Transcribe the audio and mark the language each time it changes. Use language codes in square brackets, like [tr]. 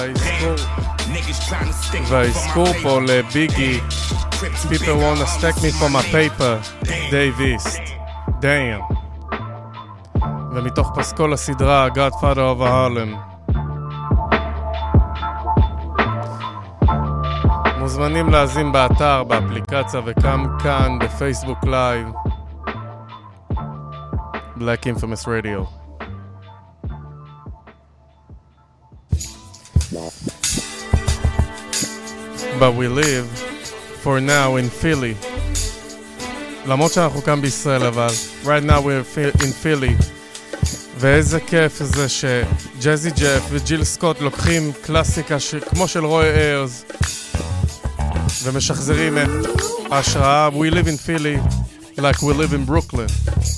[en] Damn. [he] והאזכור פה לביגי, [en] People wanna stack me for my paper, [he] Dave East, damn. ומתוך פסקול הסדרה, Godfather of Harlem. מוזמנים להזים באתר, באפליקציה וקם כאן, בפייסבוק לייב. [en] Black Infamous Radio. But we live for now in Philly. [he] למרות שאנחנו כאן בישראל, אבל [en] right now we're in Philly. [he] ואיזה כיף זה שג'אזי ג'אף וג'יל סקוט לוקחים קלאסיקה כמו של רוי איירס ומשחזרים את ההשראה. [en] We live in Philly like we live in Brooklyn.